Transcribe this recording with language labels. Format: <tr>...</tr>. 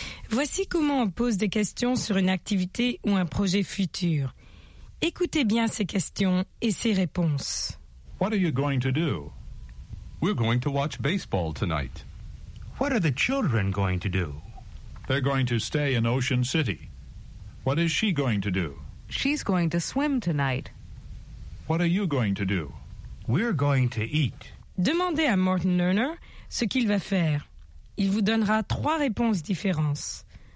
<fr>Voici comment on pose des questions sur une activité ou un projet futur. Écoutez bien ces questions et ces réponses.</fr> <en>What are you going to do? We're going to watch baseball tonight. What are the children going to do? They're going to stay in Ocean City. What is she going to do? She's going to swim tonight. What are you going to do? We're going to eat.</en> <fr>Demandez à Morton Lerner ce qu'il va faire. Il vous donnera trois réponses différentes.</fr>